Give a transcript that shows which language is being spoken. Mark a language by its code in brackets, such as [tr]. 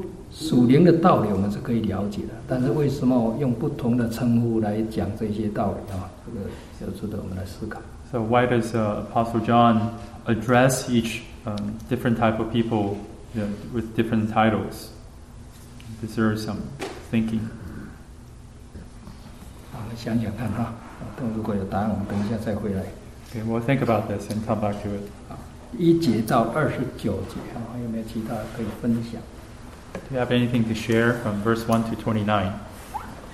[zh] 属灵的道理我们是可以了解的，但是为什么用不同的称呼来讲这些道理，这个要值得我们来思考。 [en] So why does Apostle John address each different type of people, you know, with different titles? Deserves some thinking. [zh] 我们想想看哈。如果有答案，我们等一下再回来。 [en] Okay, we'll think about this and come back to it. [zh] 一节到二十九节，有没有其他可以分享 [en] ？Do you have anything to share from verse 1 to